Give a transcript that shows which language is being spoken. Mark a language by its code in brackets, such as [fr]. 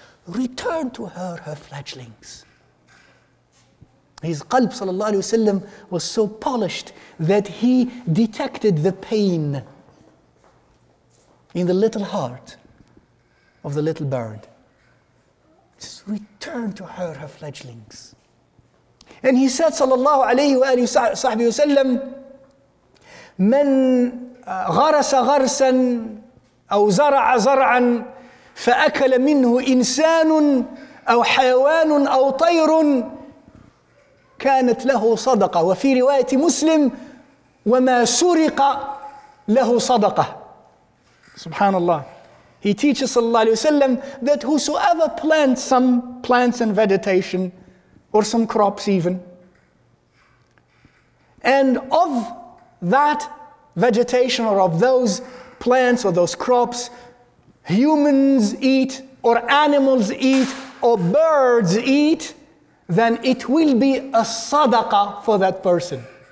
[en] Return to her fledglings. His qalb sallallahu alayhi wa sallam was so polished that he detected the pain in the little heart of the little bird. Just return to her fledglings. And he said sallallahu alayhi wa sallam, [ar] من غرس غرسا أو زرع زرعا فأكل منه إنسان أو حيوان أو طير كانت له صدقة. وفي رواية مسلم وما سرق له صدقة. سبحان الله. [en] He teaches صلى الله عليه وسلم that whosoever plants some plants and vegetation or some crops even, and of that vegetation or of those plants or those crops humans eat or animals eat or birds eat, then it will be a sadaqah for that person.